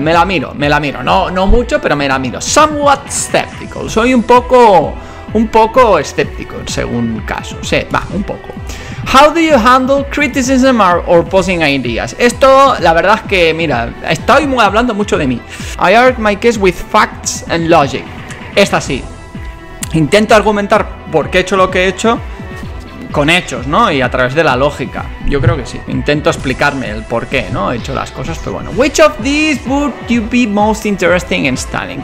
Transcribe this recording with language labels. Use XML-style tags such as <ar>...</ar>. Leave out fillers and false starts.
<es>Me la miro. No mucho, pero me la miro.</es> <en>Somewhat skeptical.</en> <es>Soy un poco escéptico, según caso. Sí, va, un poco.</es> <en>How do you handle criticism or opposing ideas?</en> <es>Esto, la verdad es que, mira, estoy hablando mucho de mí.</es> <en>I argue my case with facts and logic.</en> <es>Esta sí. Intento argumentar por qué he hecho lo que he hecho con hechos, ¿no? Y a través de la lógica. Yo creo que sí. Intento explicarme el por qué, ¿no? He hecho las cosas, pero bueno.</es> <en>Which of these would you be most interesting in studying?</en>